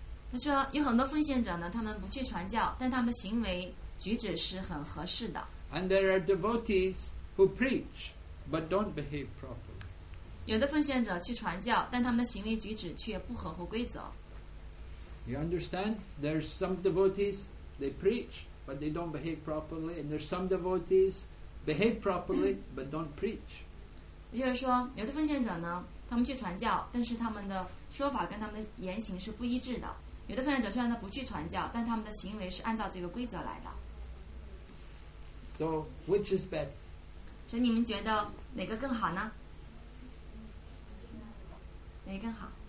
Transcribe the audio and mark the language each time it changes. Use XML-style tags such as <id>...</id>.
<zh>他说有很多奉献者呢，他们不去传教，但他们的行为举止是很合适的。</zh> <en>And there are devotees who preach, but don't behave properly.</en> <zh>有的奉献者去传教，但他们的行为举止却不合乎规则。</zh> <en>You understand? There's some devotees they preach. But they don't behave properly, and there's some devotees behave properly but don't preach.</en> <zh>也就是说，有的奉献者呢，他们去传教，但是他们的说法跟他们的言行是不一致的。有的奉献者虽然他不去传教，但他们的行为是按照这个规则来的。</zh> <en>So which is best?</en> <zh>所以你们觉得哪个更好呢？哪个更好？</zh>